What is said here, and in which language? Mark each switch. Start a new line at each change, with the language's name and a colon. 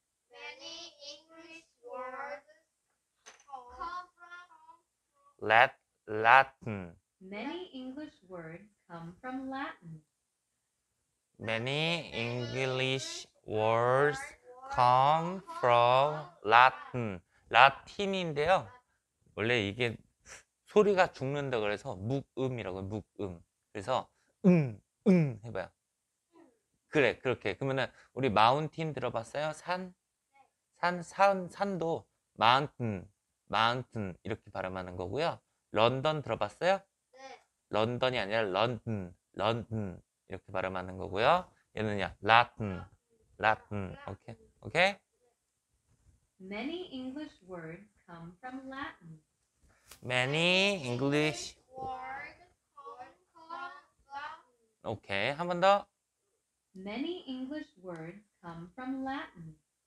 English: many english words come from latin. many english words come from latin. many english words come from Latin.
Korean: Latin인데요. 원래 이게 소리가 죽는다 그래서 묵음이라고 해요. 묵음. 그래서 응응 해봐요. 그래, 그렇게. 그러면은 우리 마운틴 들어봤어요? 산? 산도 마운튼 이렇게 발음하는 거고요. 런던 들어봤어요? 런던이 아니라 런튼 이렇게 발음하는 거고요. 얘는요, 라튼. 오케이? 오케이?
English: Many English words come from Latin. Many English words come from Latin.
Korean: 오케이, 한번 더.
English: Many English words come from Latin.